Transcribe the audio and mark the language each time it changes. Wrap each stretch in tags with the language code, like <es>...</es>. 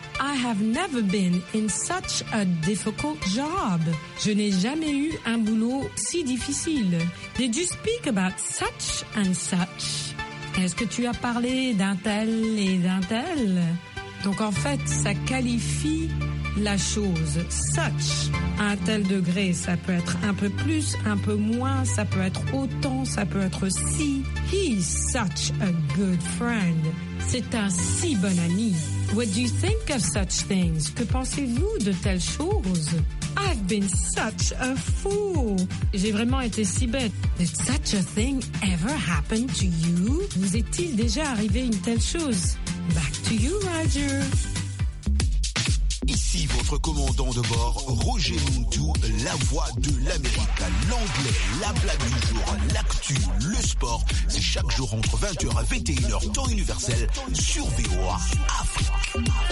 <en>I have never been in such a difficult job.</en> <fr>Je n'ai jamais eu un boulot si difficile.</fr> <en>Did you speak about such and such?</en> <fr>Est-ce que tu as parlé d'un tel et d'un tel? Donc en fait, ça qualifie la chose. Such, à un tel degré, ça peut être un peu plus, un peu moins, ça peut être autant, ça peut être si.</fr> <en>He's such a good friend.</en> <fr>C'est un si bon ami.</fr> <en>What do you think of such things?</en> <fr>Que pensez-vous de telles choses?</fr> <en>I've been such a fool.</en> <fr>J'ai vraiment été si bête.</fr> <en>Did such a thing ever happen to you?</en> <fr>Vous est-il déjà arrivé une telle chose?</fr> <en>Back to you, Roger.</en> <fr>Ici votre commandant de bord, Roger Muntou, la voix de l'Amérique, l'anglais, la blague du jour, l'actu, le sport. C'est chaque jour entre 20h à 21h, temps universel, sur VOA Afrique.</fr>